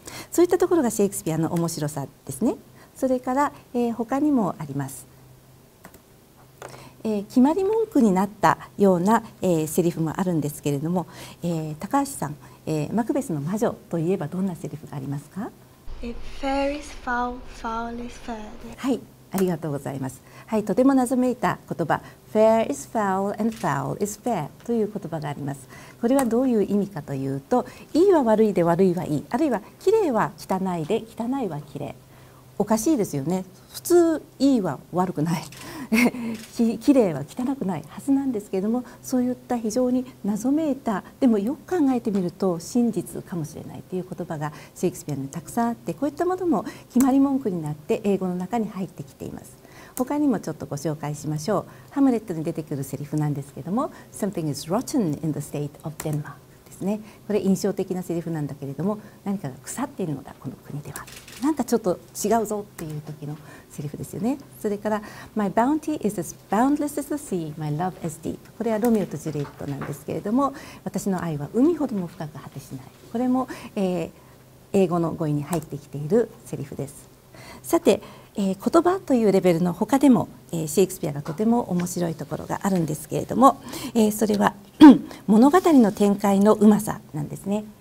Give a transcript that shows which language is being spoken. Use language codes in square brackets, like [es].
[ja] そういったところがシェイクスピアの面白さですね。それから、他にもあります。決まり文句になったような、セリフもあるんですけれども、高橋さん、マクベスの魔女といえばどんなセリフがありますか。 [en] If fair is foul, foul is fair. [ja] はい、ありがとうございます。はい、とても謎めいた言葉、 [en] fair is foul and foul is fair [ja] という言葉があります。これはどういう意味かというと、いいは悪いで悪いはいい、あるいはきれいは汚いで汚いはきれい。おかしいですよね。普通いいは悪くない、きれいは汚くないはずなんですけれども、そういった非常に謎めいた、でもよく考えてみると真実かもしれないという言葉がシェイクスピアにたくさんあって、こういったものも決まり文句になって英語の中に入ってきています。他にもちょっとご紹介しましょう。ハムレットに出てくるセリフなんですけれども、 [en] Something is rotten in the state of Denmark [ja] ですね。これ印象的なセリフなんだけれども、何かが腐っているのだこの国では、なんかちょっと違うぞっていう時のセリフですよね。 [en] それから My bounty is as boundless as the sea, my love as deep。 [ja] これはロミオとジュリエットなんですけれども、私の愛は海ほども深く果てしない、これも、英語の語彙に入ってきているセリフです。さて、言葉というレベルの他でも、シェイクスピアがとても面白いところがあるんですけれども、それは物語の展開のうまさなんですね。